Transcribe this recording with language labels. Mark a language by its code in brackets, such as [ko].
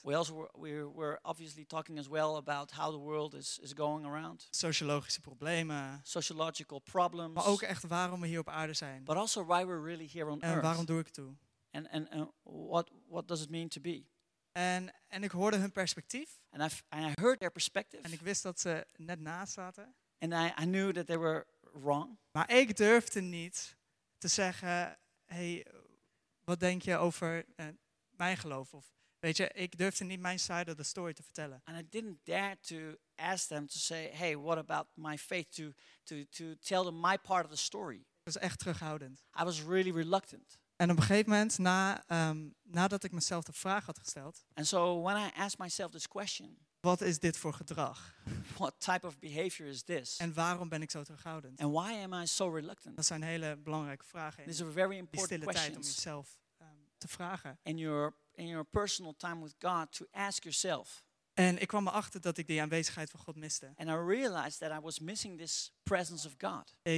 [en] We were obviously talking as well about how the world is going around. [nl] Sociologische problemen. [en] Sociological problems. [nl] Maar ook echt waarom we hier op aarde zijn. [en] But also why we're really here on earth. [nl] En waarom doe ik het toe? [en] And what does it mean to be? [nl] En ik hoorde hun perspectief. [en] And I heard their perspective. [nl] En ik wist dat ze net naast zaten. [en] And I knew that they were wrong. [nl] Maar ik durfde niet te zeggen, hey, wat denk je over mijn geloof? Of weet je, ik durfde niet mijn [en] side of the story [nl] te vertellen. [en] And I didn't dare to ask them to say, hey, what about my faith? To tell them my part of the story. [nl] Ik was echt terughoudend. [en] I was really reluctant. [nl] En op een gegeven moment, nadat ik mezelf de vraag had gesteld. [en] And so when I asked myself this question. [nl] Wat is dit voor gedrag? [en] What type of behavior is this? [nl] En waarom ben ik zo terughoudend? [en] And why am I so reluctant? [nl] Dat zijn hele belangrijke vragen. [en] These are very important questions. [nl] Die stille tijd om jezelf te vragen. [en] In your personal time with God to ask yourself. [nl] En ik kwam erachter dat ik die aanwezigheid van God miste. [en] And I realized that I was missing this presence of God.